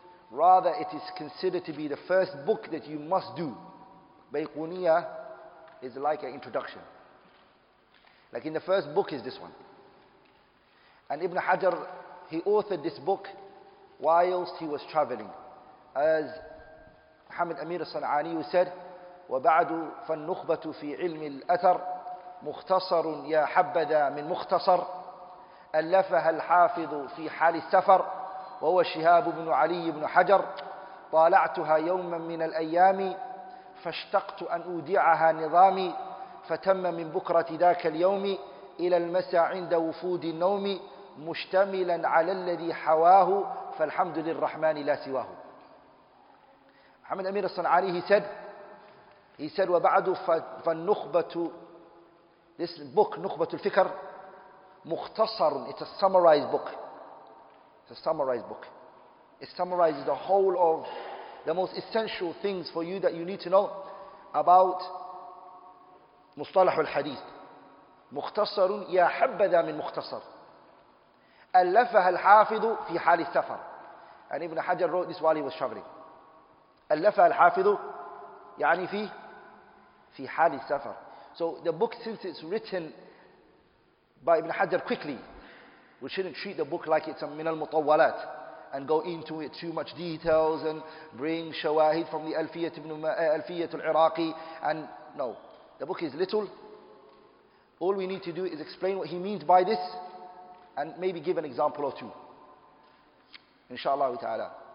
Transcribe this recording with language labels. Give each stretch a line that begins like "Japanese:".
English: Rather, it is considered to be the first book that you must do. Bayquniyah is like an introduction. Like in the first book is this one. And Ibn Hajar, he authored this book whilst he was traveling. As Muhammad Amir al-San'ani said,
Arabic: وَبَعْدُ فَالنُّخْبَةُ فِي عِلْمِ الْأَثَرِ مُخْتَصَرٌ يَا حَبَّذَا مِنْ مُخْتَصَرٍ ألفها الحافظ في حال السفر وهو شهاب بن علي بن حجر طالعتها يوما من الأيام فاشتقت أن أودعها نظامي فتم من بكرة ذاك اليوم إلى المساء عند وفود النوم مشتملا على الذي حواه فالحمد للرحمن لا سواه.
English: محمد أمير الصنعاني he said
Arabic: وبعد فالنخبة
English: this book
Arabic: نخبة الفكر مختصر,
English: it's a summarized book. It summarizes the whole of the most essential things for you that you need to know about مصطلح الحديث.
Arabic: مختصر يا حبذا من مختصر ألفها الحافظ في حال السفر.
English: And Ibn Hajar wrote this while he was traveling.
Arabic: ألفها الحافظ يعني في حال السفر.
English: So the book, since it's written by Ibn Hajar quickly, we shouldn't treat the book like it's a min al-mutawwalat and go into it too much details and bring shawahid from the Alfiyat ibn Alfiyat al-Iraqi. And no, the book is little. All we need to do is explain what he means by this and maybe give an example or two, inshallah ta'ala.